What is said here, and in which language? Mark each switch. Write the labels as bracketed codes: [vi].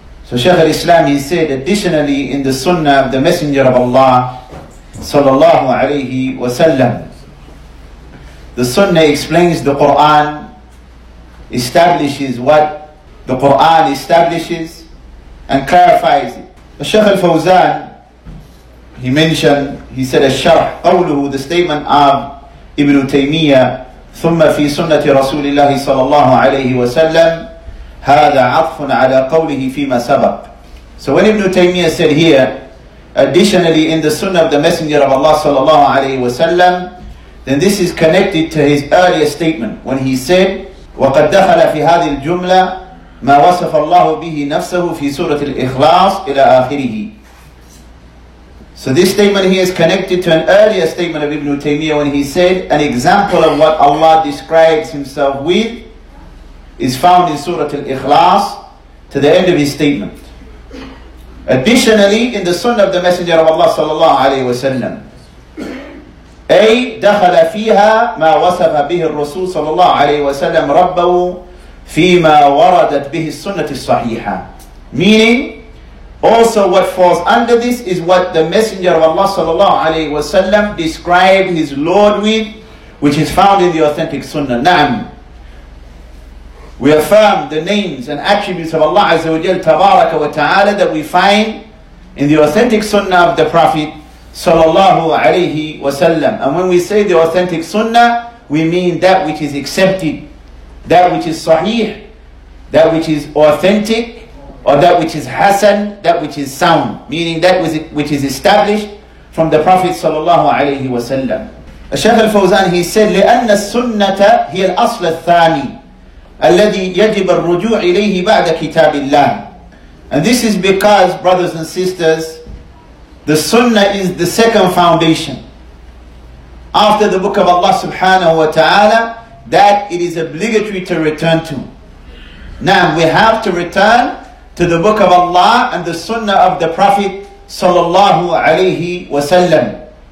[en] So Shaykh al-Islam, he said, additionally in the sunnah of the Messenger of Allah sallallahu alayhi wa sallam, the sunnah explains the Qur'an, establishes what the Qur'an establishes and clarifies it. Shaykh al-Fawzan, he mentioned, he said, [ar] الشرح قوله, [en] the statement of Ibn Taymiyyah, [ar] ثُمَّ فِي سُنَّةِ رَسُولِ اللَّهِ صَلَى اللَّهُ عَلَيْهِ وَسَلَّمُ هَذَا عَطْفٌ عَلَى قَوْلِهِ فِي مَا سَبَقُ. [en] So when Ibn Taymiyyah said here, additionally in the sunnah of the Messenger of Allah صلى الله عليه وسلم, then this is connected to his earlier statement when he said, [ar] وَقَدْ دَخَلَ فِي هَذِهِ الْجُمْلَةِ مَا وَصَفَ اللَّهُ بِهِ نَفْسَهُ فِي سُورَةِ الْإِخْلَاصِ إِلَىٰ آخِرِهِ. [en] So this statement here is connected to an earlier statement of Ibn Taymiyyah when he said, an example of what Allah describes Himself with is found in Surah Al-Ikhlas to the end of his statement. Additionally, in the Sunnah of the Messenger of Allah sallallahu alayhi wa sallam, [ar] أي دخل فيها ما وصف به الرسول صلى الله عليه وسلم ربه فيما وردت به السنة الصحيحة. [en] Meaning, also what falls under this is what the Messenger of Allah sallallahu alayhi wa sallam described his Lord with, which is found in the authentic sunnah. Na'am. We affirm the names and attributes of Allah azza wa jal tabaraka wa ta'ala that we find in the authentic sunnah of the Prophet sallallahu alayhi wa sallam. And when we say the authentic sunnah, we mean that which is accepted, that which is sahih, that which is authentic, or that which is hasan, that which is sound, meaning that which is established from the Prophet sallallahu alayhi wa sallam. Shaykh al-Fawzan, he said, [ar] لِأَنَّ السُنَّةَ هِيَ الْأَصْلَ الثَّانِي الَّذِي يَجِبَ الرُّجُوعِ إِلَيْهِ بَعْدَ كِتَابِ اللَّهِ. [en] And this is because, brothers and sisters, the sunnah is the second foundation after the book of Allah subhanahu wa ta'ala that it is obligatory to return to. Now we have to return to the book of Allah and the sunnah of the Prophet sallallahu alayhi wa sallam.